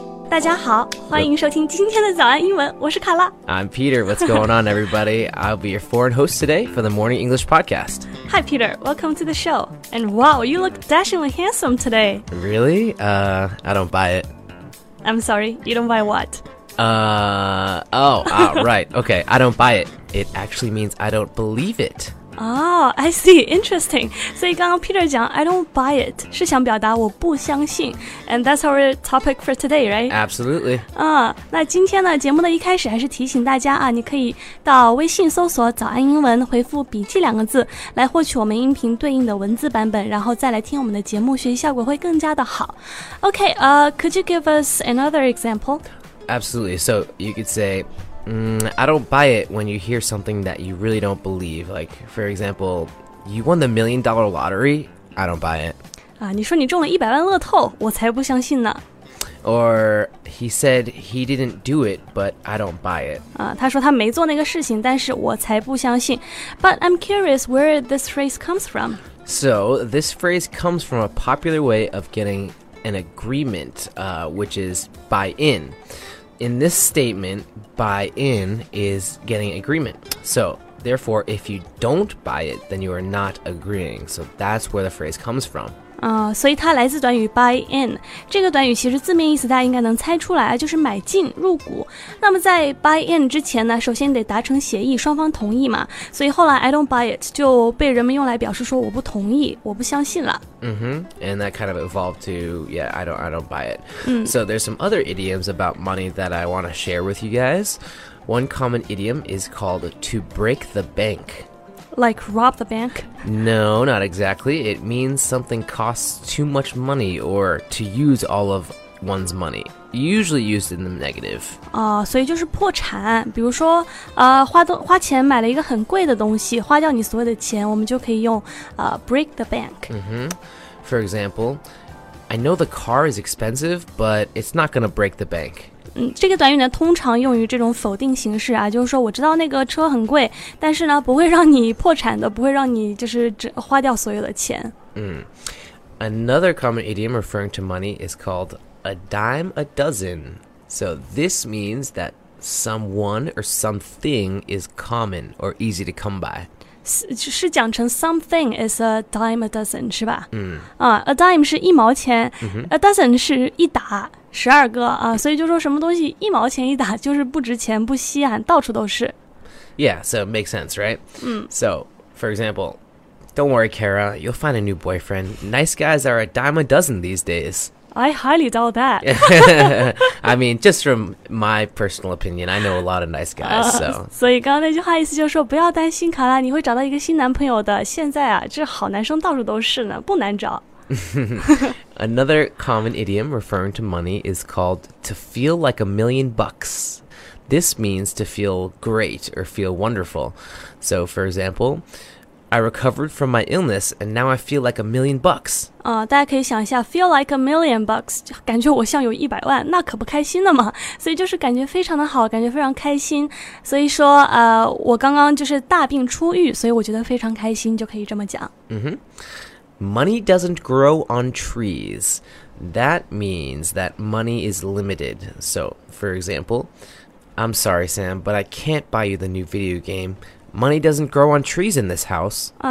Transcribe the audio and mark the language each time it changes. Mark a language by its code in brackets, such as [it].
[zh] 大家好，欢迎收听今天的早安英文，我是卡拉。 [en] I'm Peter, what's going on everybody? I'll be your foreign host today for the Morning English Podcast. Hi Peter, welcome to the show. And wow, you look dashingly handsome today. Really? I don't buy it. I'm sorry, you don't buy what? right, okay, I don't buy it. It actually means I don't believe it. Oh, I see. Interesting. [zh] 所以刚刚 Peter 讲 [en] I don't buy it [zh] 是想表达我不相信 [en] And that's our topic for today, right? Absolutely. [zh] 那今天呢节目的一开始还是提醒大家啊，你可以到微信搜索早安英文回复笔记两个字来获取我们音频对应的文字版本然后再来听我们的节目学习效果会更加的好 [en] OK, could you give us another example? Absolutely. So you could sayI don't buy it when you hear something that you really don't believe. Like, for example, you won the $1 million lottery. I don't buy it. [zh] 你说你中了100万乐透，我才不相信呢。 [en] Or he said he didn't do it, but I don't buy it. [zh] 他说他没做那个事情，但是我才不相信。 [en] But I'm curious where this phrase comes from. So this phrase comes from a popular way of getting an agreement, which is buy in. In this statement, buy in is getting agreement. So, therefore, if you don't buy it, then you are not agreeing. So, that's where the phrase comes from. [zh] 所以它来自短语 buy in. 这个短语其实字面意思大家应该能猜出来，就是买进、入股。那么在 buy in 之前呢，首先得达成协议，双方同意嘛。所以后来 I don't buy it 就被人们用来表示说我不同意，我不相信了。 Mm-hmm. [en] And that kind of evolved to, yeah, I don't buy it. So there's some other idioms about money that I want to share with you guys. One common idiom is called to break the bank. Like rob the bank? No, not exactly. It means something costs too much money or to use all of one's money. Usually used in the negative. [zh] 所以就是破产。比如说，花钱买了一个很贵的东西，花掉你所有的钱，我们就可以用break the bank. Mm-hmm. [en] For example, I know the car is expensive, but it's not going to break the bank. [zh] 这个短语呢，通常用于这种否定形式啊，就是说我知道那个车很贵，但是呢，不会让你破产的，不会让你就是花掉所有的钱。 [en] Another common idiom referring to money is called. A dime a dozen. So this means that someone or something is common or easy to come by. [zh] 是讲成 [en] something is a dime a dozen, [zh] 是吧？ [en] A [zh] dime 是一毛钱、mm-hmm. a dozen 是一打十二个、所以就说什么东西一毛钱一打就是不值钱不稀罕到处都是。 [en] Yeah, so it makes sense, right? So, for example, don't worry, Kara, you'll find a new boyfriend. Nice guys are a dime a dozen these days. I highly doubt that. I mean, just from my personal opinion, I know a lot of nice guys, so. [zh] 所以刚刚那句话意思就是说不要担心卡拉你会找到一个新男朋友的。现在啊这好男生到处都是呢不难找。 [en] Another common idiom referring to money is called to feel like $1 million. This means to feel great or feel wonderful. So, for example,I recovered from my illness, and now I feel like $1 million. [zh] 大家可以想一下 , [en] feel like $1 million, [zh] 感觉我像有100万,那可不开心了嘛。所以就是感觉非常的好,感觉非常开心。所以说我刚刚就是大病初愈,所以我觉得非常开心,就可以这么讲。 [en] Money doesn't grow on trees. That means that money is limited. So, for example, I'm sorry, Sam, but I can't buy you the new video game. Money doesn't grow on trees in this house.